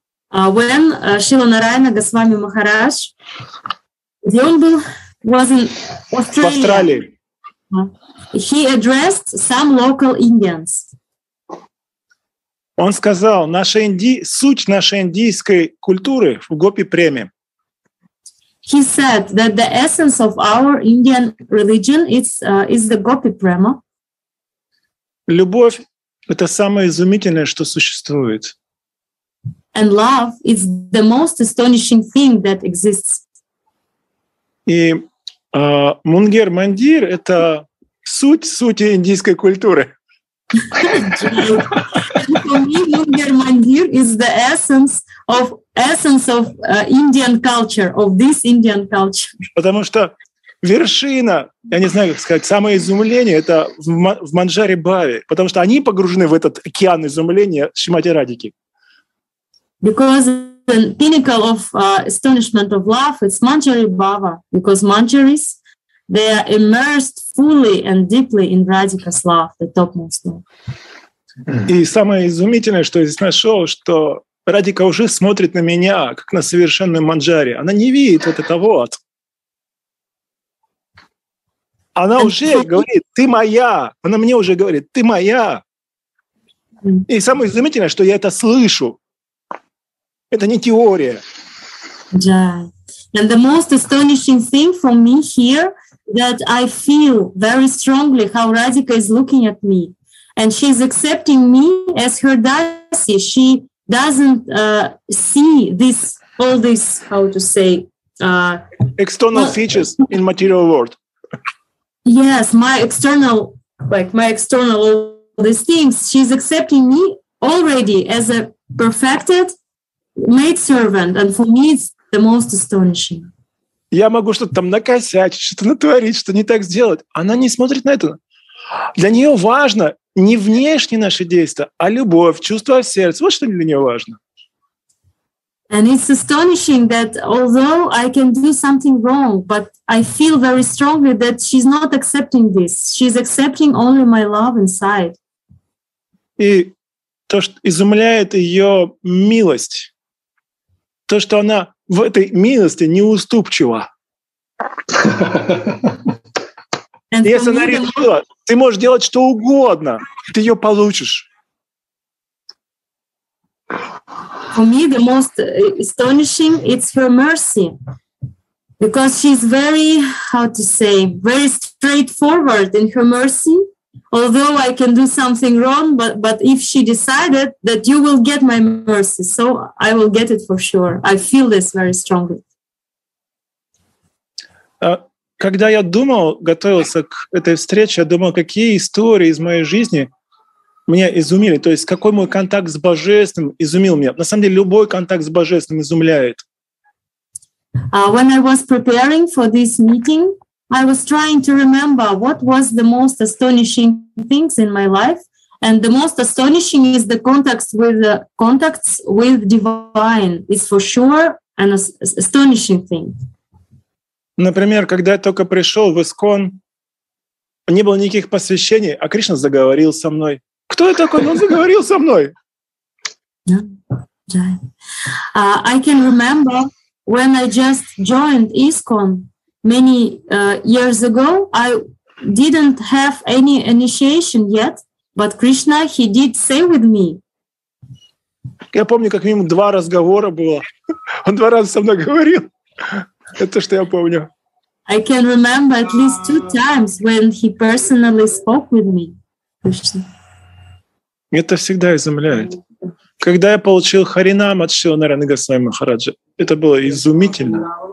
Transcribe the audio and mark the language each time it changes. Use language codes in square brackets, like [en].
[en] When [ru] Шрила Нараяна Госвами Махарадж, где он был? [en] Was in Australia. [ru] В Австралии. [en] He addressed some local Indians. [ru] Он сказал, суть нашей индийской культуры в гопи-преме. [en] He said that the essence of our Indian religion is the gopi prema. [ru] Любовь — это самое изумительное, что существует. [en] And love is the most astonishing thing that exists. [ru] И мунгер мандир — это суть индийской культуры. [en] For me, Mungir Mandir is the essence of Indian culture, of this Indian culture. [ru] Потому что вершина, я не знаю, как сказать, самое изумление — это в Манджари Бхаве, потому что они погружены в этот океан изумления Шримати Радики. [en] Because the pinnacle of astonishment of love is Manjari Bhava, because Manjaris, they are immersed fully and deeply in Radhika's love, the topmost love. [ru] И самое изумительное, что я здесь нашел, что Радика уже смотрит на меня, как на совершенную манджари. Она не видит вот это вот. Она уже говорит, ты моя. Она мне уже говорит, ты моя. И самое изумительное, что я это слышу. Это не теория. Да. [en] And the most astonishing thing for me here that I feel very strongly how Radhika is looking at me. And she's accepting me as her dasi. She doesn't see this, all this, how to say, external features in material world. Yes, my external all these things. She's accepting me already as a perfected maid servant, and for me it's the most astonishing. [ru] Я могу что-то там накосячить, что-то натворить, что-то не так сделать. Она не смотрит на это. Для нее важно не внешние наши действия, а любовь, чувство в сердце. Вот что для нее важно. [en] And it's astonishing that although I can do something wrong, but I feel very strongly that she's not accepting this. She's accepting only my love inside. [ru] И то, что изумляет ее милость, то, что она в этой милости неуступчива. [en] And [ru] если она решила, ты можешь делать что угодно, ты ее получишь. [en] For me the most astonishing it's her mercy, because she's very, how to say, very straightforward in her mercy. Although I can do something wrong, but if she decided that you will get my mercy, so I will get it for sure. I feel this very strongly. [ru] Когда я думал, готовился к этой встрече, я думал, какие истории из моей жизни меня изумили. То есть какой мой контакт с Божественным изумил меня. На самом деле любой контакт с Божественным изумляет. [en] When I was preparing for this meeting, I was trying to remember what was the most astonishing things in my life, and the most astonishing is the contacts with divine. It's for sure an astonishing thing. [ru] Например, когда я только пришел в ИСКОН, не было никаких посвящений, а Кришна заговорил со мной. Кто я такой? Он заговорил со мной. [en] I can remember when I just joined ISKCON many years ago. I didn't have any initiation yet, but Krishna, he did say with me. [ru] Я помню, как минимум два разговора было. Он два раза со мной говорил. Это то, что я помню. [en] I can remember at least two times when he personally spoke with me, Krishna. [ru] Это всегда изумляет. Когда я получил харинам от Шрилы Нараяны Госвами Махараджа, это было изумительно.